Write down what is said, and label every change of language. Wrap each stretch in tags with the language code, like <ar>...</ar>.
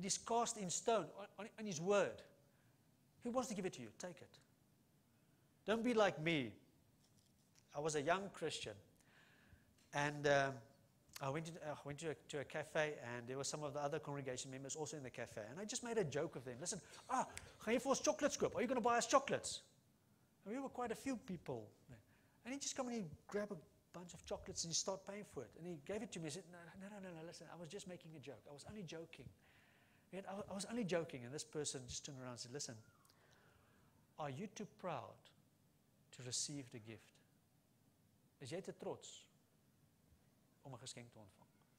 <en>It is cast in stone on His word. He wants to give it to you. Take it. Don't be like me. I was a young Christian. And I went to a cafe, and there were some of the other congregation members also in the cafe. And I just made a joke of them.</en> <af>Listen, gaan jy vir ons chocolates koop?</af> <en>Are you going to buy us chocolates? And we were quite a few people there. And he just come and he grabbed a bunch of chocolates, and he started paying for it. And he gave it to me. He said, no, listen, I was just making a joke. I was only joking. I was only joking. And this person just turned around and said, listen, are you too proud to receive the gift?</en> <af>Is jy te trots om 'n geskenk te ontvang?</af>